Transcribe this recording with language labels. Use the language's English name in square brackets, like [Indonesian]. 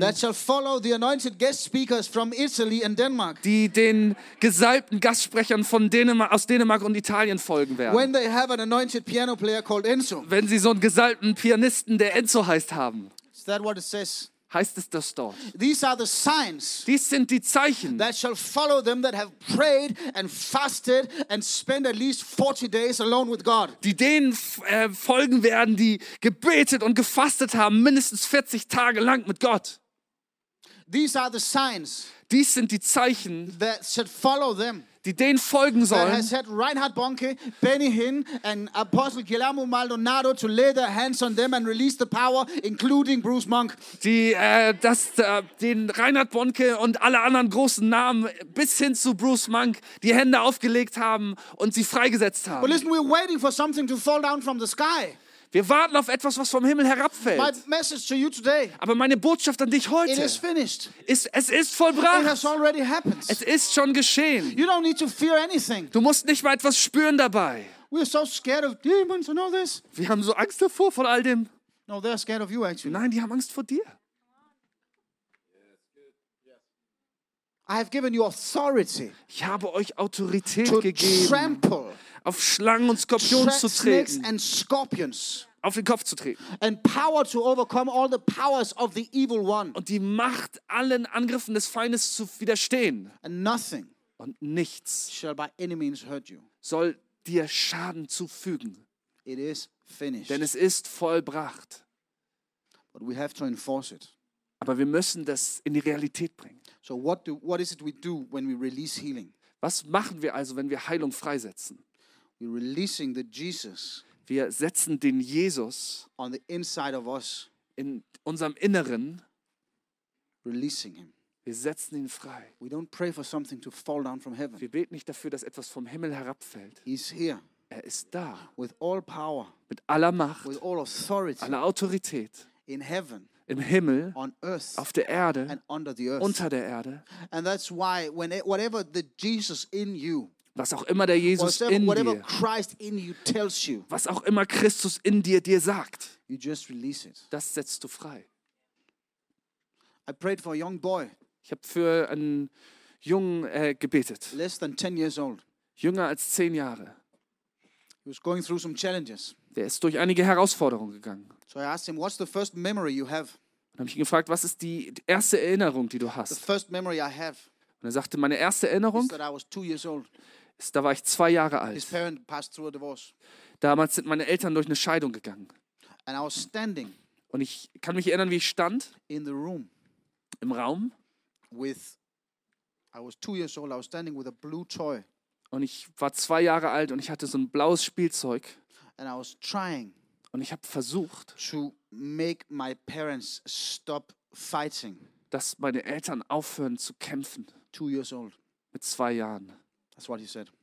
[English] that shall follow the anointed guest speakers from Italy and Denmark, [German] die den gesalbten Gastsprechern von Dänemark und Italien folgen werden, [English] when they have an anointed piano player called Enzo, [German] wenn sie so einen gesalbten Pianisten, der Enzo heißt, haben. [English] Is that what it says? [German] Heißt es das dort? [English] These are the signs, [German] dies sind die Zeichen, [English] that shall follow them that have prayed and fasted and spent at least 40 days alone with God. [German] Die denen folgen werden, die gebetet und gefastet haben, mindestens 40 Tage lang mit Gott. [English] These are the signs, [German] dies sind die Zeichen, [English] that should follow them, [German] die denen folgen sollen, [English] that has had Reinhard Bonnke, Benny Hinn and Apostle Guillermo Maldonado to lay their hands on them and release the power, including Bruce Monk. [German] Die, den Reinhard Bonnke und alle anderen großen Namen bis hin zu Bruce Monk die Hände aufgelegt haben und sie freigesetzt haben. [English] But listen, we're waiting for something to fall down from the sky. [German] Wir warten auf etwas, was vom Himmel herabfällt. [English] My message to you today, [German] aber meine Botschaft an dich heute, [English] it is finished, [German] ist, es ist vollbracht. [English] It has already happened. [German] Es ist schon geschehen. [English] You don't need to fear anything. [German] Du musst nicht mal etwas spüren dabei. [English] We are so scared of demons and all this. [German] Wir haben so Angst davor, von all dem. [English] No, they are scared of you, actually. [German] Nein, die haben Angst vor dir. [English] I have given you authority, [German] ich habe euch Autorität [English] to [German] gegeben, [English] trample, [German] auf Schlangen und Skorpionen zu treten. [English] And scorpions, [German] auf den Kopf zu treten. [English] And power to overcome all the powers of the evil one. [German] Und die Macht, allen Angriffen des Feindes zu widerstehen. [English] And nothing, [German] und nichts [English] shall by any means hurt you, [German] soll dir Schaden zufügen. [English] It is finished. [German] Denn es ist vollbracht. [English] But we have to enforce it. [German] Aber wir müssen das in die Realität bringen. [English] So what is it we do when we release healing? [German] Was machen wir also, wenn wir Heilung freisetzen? [English] We're releasing the Jesus. [German] Wir setzen den Jesus [English] on the inside of us, [German] in unserem Inneren, [English] releasing him. [German] Wir setzen ihn frei. [English] We don't pray for something to fall down from heaven. [German] Wir beten nicht dafür, dass etwas vom Himmel herabfällt. [English] He's here. [German] Er ist da. [English] With all power, [German] mit aller Macht, [English] with all authority, [German] aller Autorität, [English] in heaven, [German] im Himmel, [English] on earth, [German] auf der Erde, [English] and under the earth, [German] unter der Erde. [English] And that's why when it, whatever the Jesus in you, [German] was auch immer der Jesus [English] whatever [German] in dir, [English] Christ in you tells you, [German] was auch immer Christus in dir dir sagt, [English] you just release it. [German] Das setzt du frei. [English] I prayed for a young boy, [German] ich habe für einen Jungen gebetet, [English] less than 10 years old, [German] jünger als 10 Jahre. [English] He was going through some challenges. [German] Der ist durch einige Herausforderungen gegangen. [English] So I asked him, what's the first memory you have? [German] Dann habe ich ihn gefragt, was ist die erste Erinnerung, die du hast? [English] The first memory I have. [German] Und er sagte, meine erste Erinnerung [English] is that I was 2 years old. [German] Ist, da war ich 2 Jahre alt. [English] His parent passed through a divorce. [German] Damals sind meine Eltern durch eine Scheidung gegangen. [English] And I was standing, [German] und ich kann mich erinnern, wie ich stand [English] in the room, [German] im Raum. [English] With, I was 2 years old, I was standing with a blue toy. [German] Und ich war 2 Jahre alt und ich hatte so ein blaues Spielzeug. [English] And I was trying, [German] und ich habe versucht, [English] to make my parents stop fighting, [German] dass meine Eltern aufhören zu kämpfen. [English] 2 years old. [German] Mit 2 Jahren. [English] That's what he said.